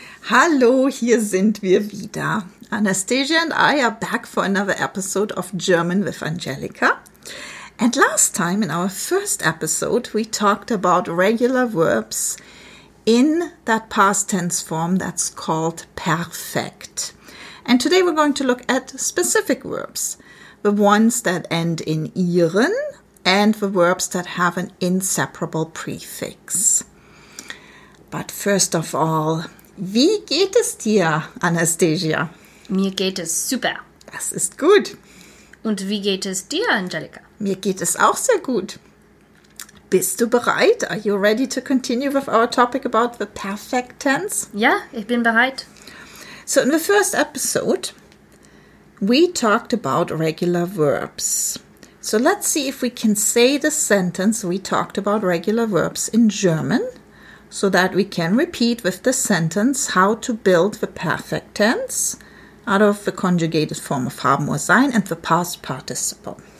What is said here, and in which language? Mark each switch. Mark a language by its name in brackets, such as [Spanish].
[German] Hallo, hier sind wir wieder. [English] Anastasia and I are back for another episode of German with Angelica. And last time, in our first episode, we talked about regular verbs in that past tense form that's called perfekt. And today we're going to look at specific verbs, the ones that end in -ieren and the verbs that have an inseparable prefix. But first of all, [German] wie geht es dir, [English] Anastasia? [German] Mir geht es super. Das ist gut. Und wie geht es dir, Angelica? Mir geht es auch sehr gut. Bist du bereit? [English] Are you ready to continue with our topic about the perfect tense? [German] Ja, ich bin bereit. [English] So in the first episode, we talked about regular verbs. So let's see if we can say the sentence we talked about regular verbs in German, so that we can repeat with the sentence how to build the perfect tense out of the conjugated form of haben or sein and the past participle.